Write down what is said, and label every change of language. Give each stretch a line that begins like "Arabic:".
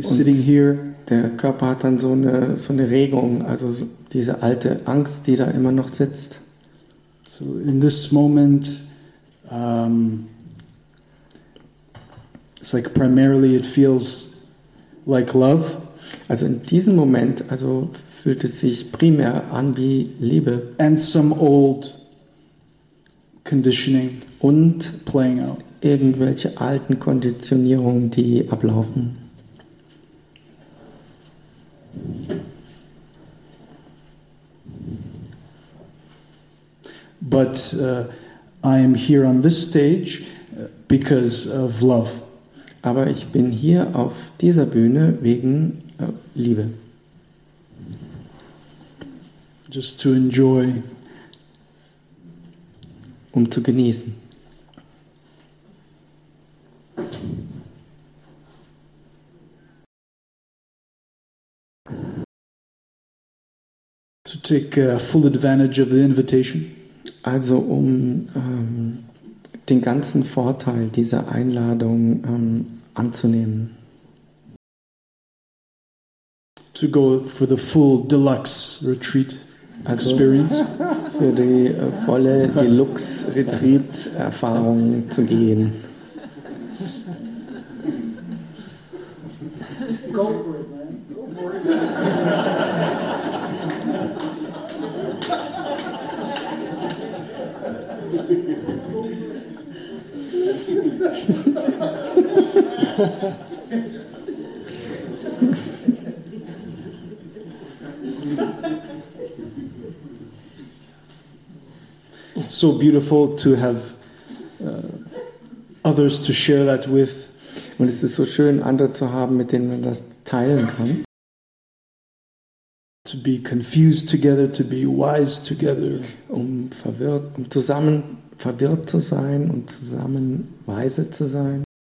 German: und
English: sitting here.
German: Der Körper hat dann so eine Regung, also diese alte Angst, die da immer noch sitzt.
English: So in this moment it's like primarily it feels like love.
German: Also in diesem Moment, also fühlt es sich primär an wie Liebe.
English: And some old conditioning
German: und
English: playing out.
German: Irgendwelche alten Konditionierungen, die ablaufen.
English: But I am here on this stage because of love.
German: Aber ich bin hier auf dieser Bühne wegen Liebe.
English: Just to enjoy.
German: Um zu genießen.
English: To take full advantage of the invitation.
German: Also um den ganzen Vorteil dieser Einladung anzunehmen.
English: To go for the full deluxe retreat experience.
German: Also für die volle Deluxe-Retreat-Erfahrung zu gehen.
English: Go for it, man. Go for it. It's so beautiful to have others to share that with.
German: Und es ist so schön, andere zu haben, mit denen man das teilen kann.
English: To be confused together, to be wise together.
German: Um zusammen verwirrt zu sein und zusammen weise zu sein.